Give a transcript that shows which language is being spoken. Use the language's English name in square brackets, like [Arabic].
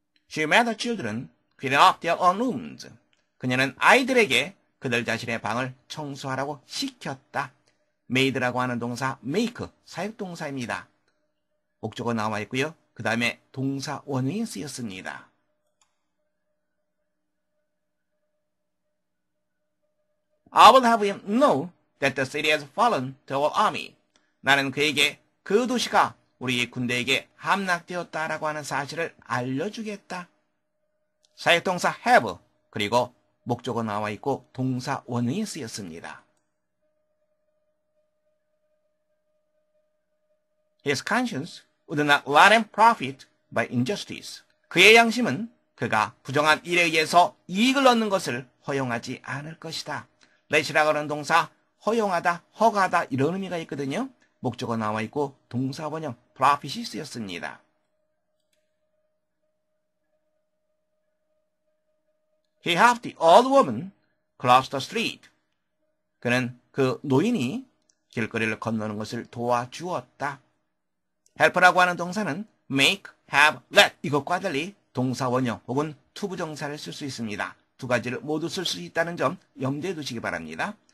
[English] She met the children cleaning up their own rooms. [Korean] 그녀는 아이들에게 그들 자신의 방을 청소하라고 시켰다. made라고 하는 동사 make, 사역동사입니다. 목적어 나와 있고요. 그 다음에 동사 원형이 쓰였습니다. [English] 'I will have him know that the city has fallen to our army.' [Korean] 나는 그에게 그 도시가 우리의 군대에게 함락되었다라고 하는 사실을 알려주겠다. 사역동사 have 그리고 목적어 나와 있고 동사 원형이 쓰였습니다. [English] His conscience would not let him profit by injustice. [Korean] 그의 양심은 그가 부정한 일에 의해서 이익을 얻는 것을 허용하지 않을 것이다. let이라고 하는 동사 허용하다, 허가하다 이런 의미가 있거든요. 목적어 나와 있고 동사 원형 profit이 쓰였습니다. [English] He helped the old woman cross the street. [Korean] 그는 그 노인이 길거리를 건너는 것을 도와주었다. help라고 하는 동사는 make, have, let 이것과 달리 동사 원형 혹은 투부정사를 쓸 수 있습니다. 두 가지를 모두 쓸 수 있다는 점 염두에 두시기 바랍니다.